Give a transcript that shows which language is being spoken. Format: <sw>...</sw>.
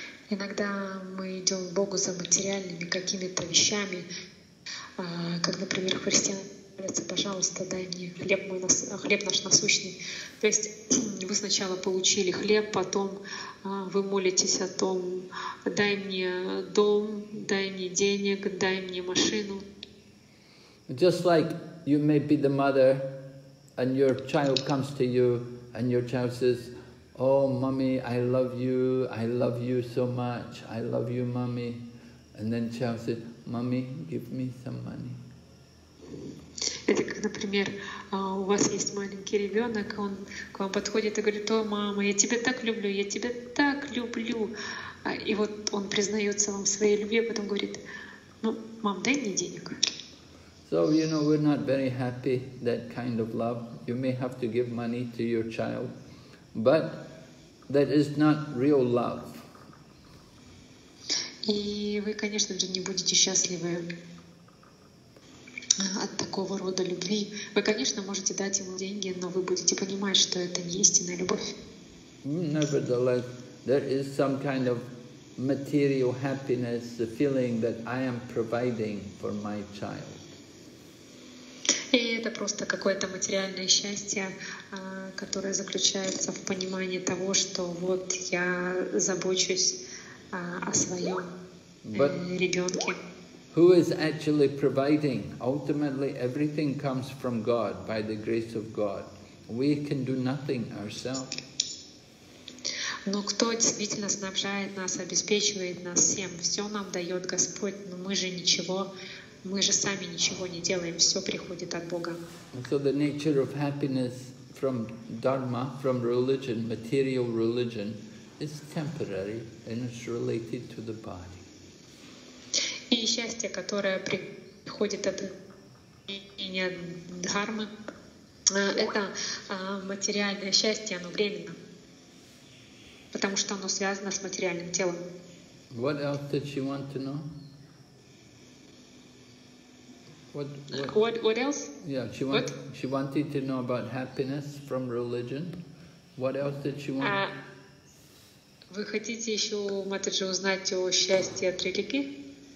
<ru>Иногда мы идем к Богу за материальными какими-то вещами, как, например, христиан. Пожалуйста, дай мне хлеб, хлеб наш насущный. То есть вы сначала получили хлеб, потом вы молитесь о том, дай мне дом, дай мне денег, дай мне машину.</ru> <en>Just like you may be the mother and your child comes to you and your child says, oh, mommy, I love you. I love you so much. I love you, mommy. And then child says, mommy, give me some money.</en> <ru>Это, например, у вас есть маленький ребенок, он к вам подходит и говорит, о, мама, я тебя так люблю, я тебя так люблю. И вот он признается вам в своей любви, а потом говорит, ну, мам, дай мне денег.</ru> <en>So, you know, we're not very happy, that kind of love. You may have to give money to your child, but that is not real love.</en> <ru>И вы, конечно же, не будете счастливы от такого рода любви. Вы, конечно, можете дать ему деньги, но вы будете понимать, что это не истинная любовь.</ru> <en>Nevertheless, there is some kind of material happiness, the feeling that I am providing for my child.</en> <ru>И это просто какое-то материальное счастье, которое заключается в понимании того, что вот я забочусь о своем ребенке.</ru> <en>Who is actually providing? Ultimately, everything comes from God, by the grace of God. We can do nothing ourselves.</en> <ru>Но кто действительно снабжает нас, обеспечивает нас всем? Все нам дает Господь, но мы же ничего, мы же сами ничего не делаем, все приходит от Бога.</ru> <en>So the nature of happiness from dharma, from religion, material religion, is temporary and it's related to the body.</en> <ru>И счастье, которое приходит от изменения дхармы, это материальное счастье, оно временно, потому что оно связано с материальным телом.</ru> <en>What else did she want to know? What else? She wanted to know about happiness from religion. What else did she want?</en> <ru>Вы хотите еще, Матаджи, узнать о счастье от религии?</ru>